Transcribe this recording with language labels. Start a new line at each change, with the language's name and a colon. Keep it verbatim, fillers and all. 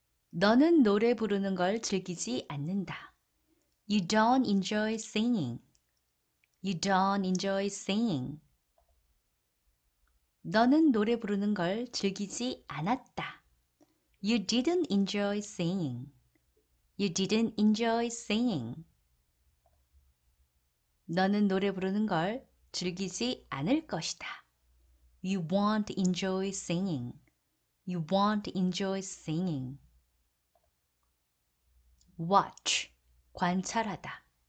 Korean: 너는 노래 부르는 걸 즐기지 않는다.
English: You don't enjoy singing. You don't enjoy singing.
Korean: 너는 노래 부르는 걸 즐기지 않았다.
English: You didn't enjoy singing. You didn't enjoy singing.
Korean: 너는 노래 부르는 걸 즐기지 않을 것이다.
English: You won't enjoy singing. You won't enjoy singing. Watch. 관찰하다.